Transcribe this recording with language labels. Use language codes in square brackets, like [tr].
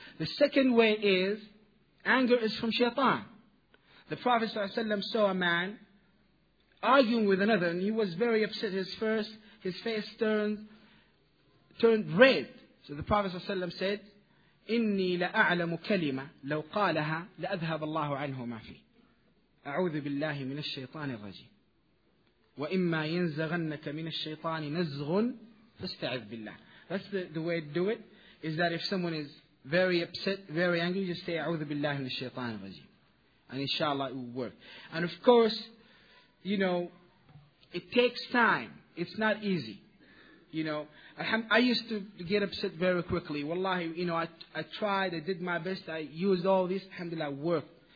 [en] The second way is, anger is from shaitan. The Prophet ﷺ saw a man arguing with another and he was very upset. His face turned red. So the Prophet ﷺ said, [ar] إِنِّي لَأَعْلَمُ كَلِمَةً لَوْ قَالَهَا لَأَذْهَبَ اللَّهُ عَنْهُ مَا فِيهِ أعوذ بالله من الشيطان الرجيم وإما ينزغنك من الشيطان نزغ فاستعذ بالله. [en] That's the way to do it, is that if someone is very upset, very angry, you just say [ar] أعوذ بالله من الشيطان الرجيم, [en] and inshallah it will work. And of course, you know, it takes time, it's not easy. You know, I used to get upset very quickly. Wallahi, you know, I tried, I did my best, I used all this, alhamdulillah, worked.